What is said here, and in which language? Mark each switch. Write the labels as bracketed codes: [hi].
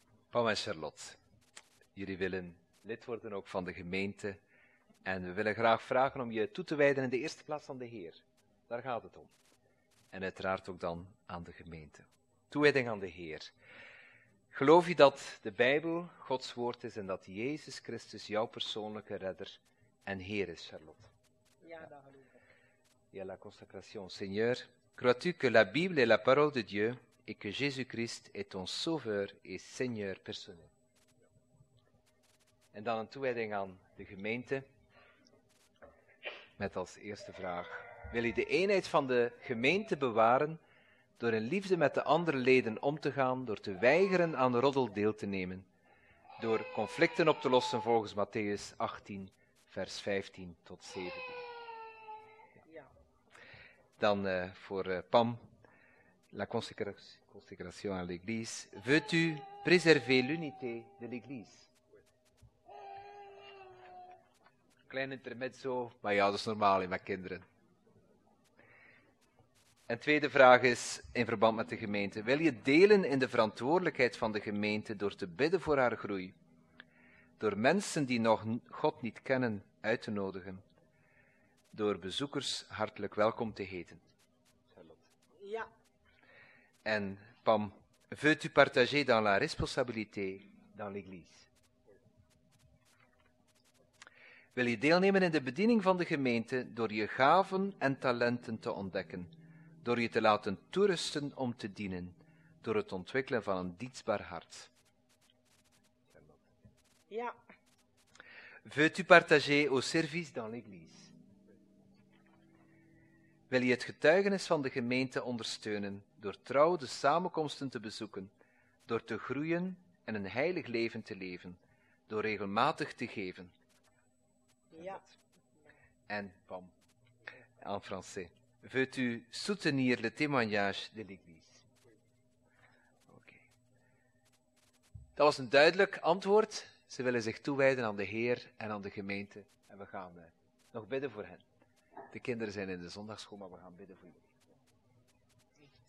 [nl] Pam en Charlotte, jullie willen lid worden ook van de gemeente en we willen graag vragen om je toe te wijden in de eerste plaats aan de Heer. Daar gaat het om. En uiteraard ook dan aan de gemeente. Toewijding aan de Heer. Geloof je dat de Bijbel Gods woord is en dat Jezus Christus jouw persoonlijke redder en Heer is, Charlotte? Ja, dat geloof ik. [fr] Ja, la consacration. Seigneur, crois-tu que la Bible est la parole de Dieu? Et que Jésus-Christ est ton sauveur et seigneur personnel. [nl] En dan een toewijding aan de gemeente. Met als eerste vraag. Wil je de eenheid van de gemeente bewaren door in liefde met de andere leden om te gaan, door te weigeren aan de roddel deel te nemen, door conflicten op te lossen volgens Matteüs 18, vers 15 tot 17? Ja. Dan voor Pam. [fr] La consécration à l'Église. Veux-tu préserver l'unité de l'Église? [nl] Klein intermezzo, maar ja, dat is normaal in mijn kinderen. En tweede vraag is in verband met de gemeente. Wil je delen in de verantwoordelijkheid van de gemeente door te bidden voor haar groei? Door mensen die nog God niet kennen uit te nodigen? Door bezoekers hartelijk welkom te heten? Ja. [fr] En Pam, veux-tu partager dans la responsabilité dans l'Église? [nl] Wil je deelnemen in de bediening van de gemeente door je gaven en talenten te ontdekken, door je te laten toerusten om te dienen, door het ontwikkelen van een dienstbaar hart? Ja. [fr] Veux-tu partager au service dans l'Église? [nl] Wil je het getuigenis van de gemeente ondersteunen door trouw de samenkomsten te bezoeken, door te groeien en een heilig leven te leven, door regelmatig te geven? Ja. [fr] En Pam, en français. Veux-tu soutenir le témoignage de l'Église? [nl] Dat was een duidelijk antwoord. Ze willen zich toewijden aan de Heer en aan de gemeente. En we gaan nog bidden voor hen. De kinderen zijn in de zondagsschool, maar we gaan bidden voor jullie.